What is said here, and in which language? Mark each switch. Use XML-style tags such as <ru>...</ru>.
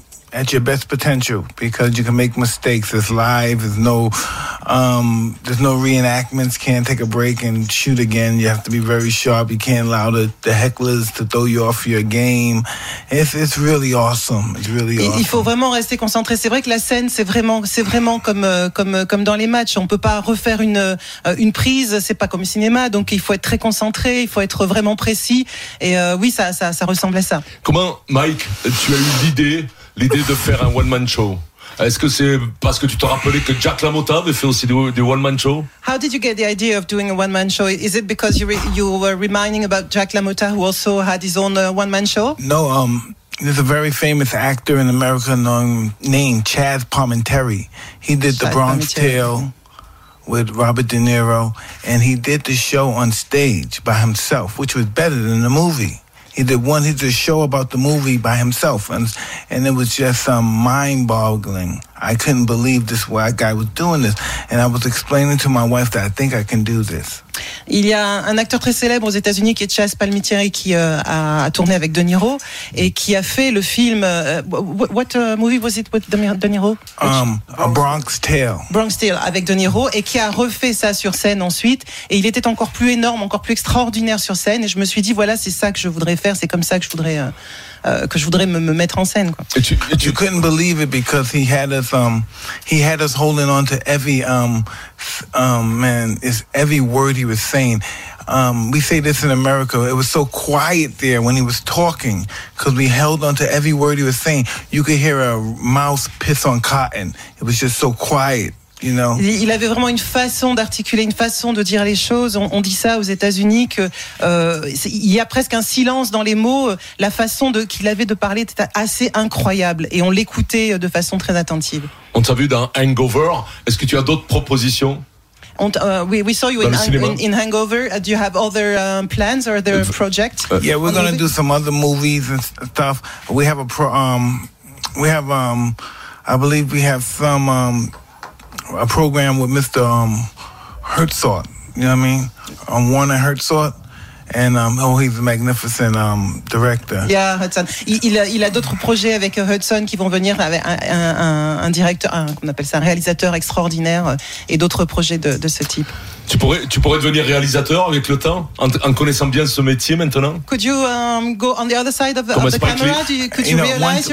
<en>At your best potential, because you can make mistakes. It's live. There's no reenactments. Can't take a break and shoot again. You have to be very sharp. You can't allow the hecklers to throw you off your game. It's really awesome. It's really awesome.</en> <fr>Il faut vraiment rester concentré. C'est vrai que la scène, c'est vraiment comme dans les matchs. On peut pas refaire une prise. C'est pas comme au cinéma. Donc il faut être très concentré. Il faut être vraiment précis. Et oui, ça ressemble à ça. Comment, Mike, tu as eu l'idée? L'idée de faire un one-man show. Est-ce que c'est parce que tu te rappelais que Jack LaMotta avait fait aussi du one-man show?</fr> <en>How did you get the idea of doing a one-man show? Is it because you were reminding about Jack LaMotta, who also had his own one-man show? No, there's a very famous actor in America named Chaz Palminteri. He did Chaz The Bronx Palminteri. Tale with Robert De Niro, and he did the show on stage by himself, which was better than the movie. He did one, he did a show about the movie by himself, and it was just mind-boggling. I couldn't believe this guy was doing this. And I was explaining to my wife that I think I can do this.</en> <fr>Il y a un acteur très célèbre aux États-Unis qui est Chaz Palminteri qui a tourné avec De Niro et qui a fait le film.</fr> <en>What movie was it with De Niro? A Bronx Tale.</en> <fr>Bronx Tale avec De Niro et qui a refait ça sur scène ensuite. Et il était encore plus énorme, encore plus extraordinaire sur scène. Et je me suis dit, voilà, c'est ça que je voudrais faire. C'est comme ça que je voudrais me mettre en scène. Quoi.</fr> <en>You couldn't believe it because he had us holding on to every it's every word he was saying. We say this in America. It was so quiet there when he was talking because we held on to every word he was saying. You could hear a mouse piss on cotton. It was just so quiet. You know.</en> <fr>Il avait vraiment une façon d'articuler, une façon de dire les choses. On dit ça aux États-Unis que il y a presque un silence dans les mots. La façon qu'il avait de parler était assez incroyable et on l'écoutait de façon très attentive. On t'a vu dans Hangover. Est-ce que tu as d'autres propositions?</fr> <en>We saw you in Hangover. Do you have other plans or other projects? Yeah, we're gonna do some other movies and stuff. We have a program with Mr. Herzog, you know what I mean? Warner Herzog, and he's a magnificent director. Yeah, Hudson.</en> <fr>Il a d'autres projets avec Hudson qui vont venir avec un réalisateur extraordinaire et d'autres projets de ce type. Tu pourrais devenir réalisateur avec le temps en connaissant bien ce métier maintenant.</fr> <en>Could you go on the other side of the camera?</en>